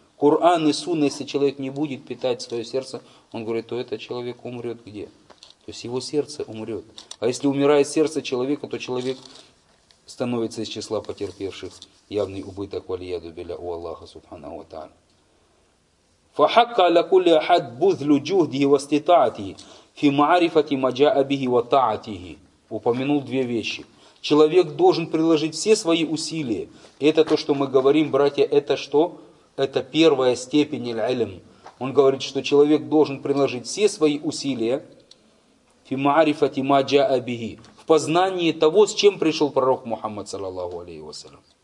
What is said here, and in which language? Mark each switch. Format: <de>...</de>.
<ru>Коран и Сунна, если человек не будет питать свое сердце, он говорит, то этот человек умрет где? То есть его сердце умрет. А если умирает сердце человека, то человек становится из числа потерпевших явный убыток валияду билля у Аллаха Субханаху ва Тааля.</ru> <ar>فحق على كل احد بذل جهده واستطاعته في معرفه ما جاء به وطاعته.</ar> <ru>Упомянул две вещи. Человек должен приложить все свои усилия. Это то, что мы говорим, братья, это что? Это первая степень аль-илм. Он говорит, что человек должен приложить все свои усилия</ru> <ar>في معرفه ما جاء به.</ar> <ru>В познании того, с чем пришел пророк Мухаммад саллаллаху алейхи ва саллям.</ru>